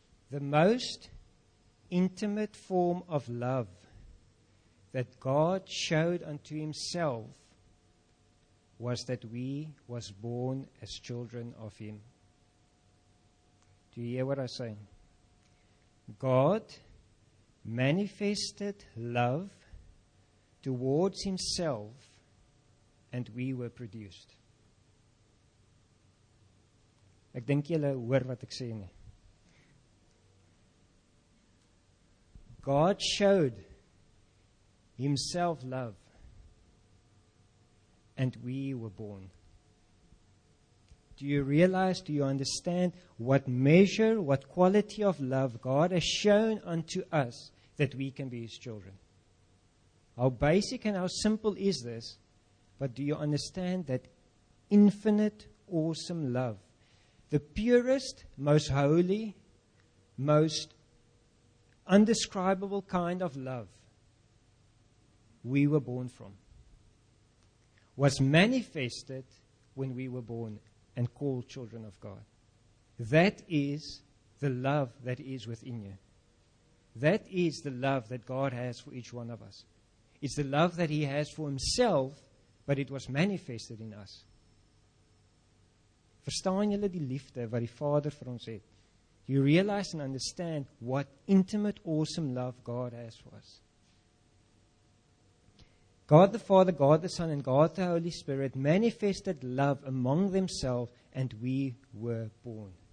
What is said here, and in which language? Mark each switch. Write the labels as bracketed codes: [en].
[en] The most intimate form of love that God showed unto himself was that we was born as children of him. Do you hear what I'm saying? God manifested love towards himself, and we were produced. [af] Ek dink julle hoor wat ek sê nie. [en] God showed himself love, and we were born. Do you realize, do you understand what measure, what quality of love God has shown unto us that we can be his children? How basic and how simple is this? But do you understand that infinite, awesome love? The purest, most holy, most undescribable kind of love we were born from was manifested when we were born and called children of God. That is the love that is within you. That is the love that God has for each one of us. It's the love that he has for himself, but it was manifested in us. [af] Verstaan julle die liefde wat die Vader vir ons het? [en] You realize and understand what intimate, awesome love God has for us. God the Father, God the Son, and God the Holy Spirit manifested love among themselves, and we were born.